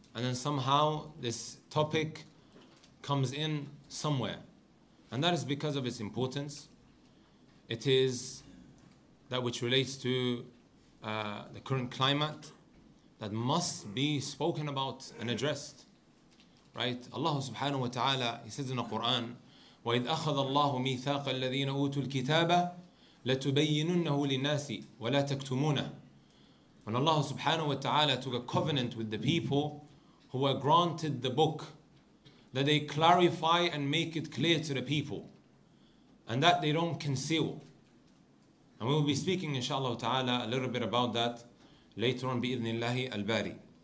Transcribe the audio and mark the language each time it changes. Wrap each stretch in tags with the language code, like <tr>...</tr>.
<en>And then somehow this topic comes in somewhere. And that is because of its importance. It is that which relates to the current climate that must be spoken about and addressed. Right?</en> <ar>Allah subhanahu wa ta'ala,</ar> <en>he says in the Quran,</en> <ar>وَإِذْ أَخَذَ اللَّهُ مِيثَاقَ الَّذِينَ أُوتُوا الْكِتَابَ لَتُبَيِّنُنَّهُ لِلنَّاسِ وَلَا تَكْتُمُونَهُ.</ar> <en>When Allah subhanahu wa ta'ala took a covenant with the people who were granted the book, that they clarify and make it clear to the people, and that they don't conceal. And we will be speaking, inshallah ta'ala, a little bit about that later on, bi-idhnillahi al-bari.</en>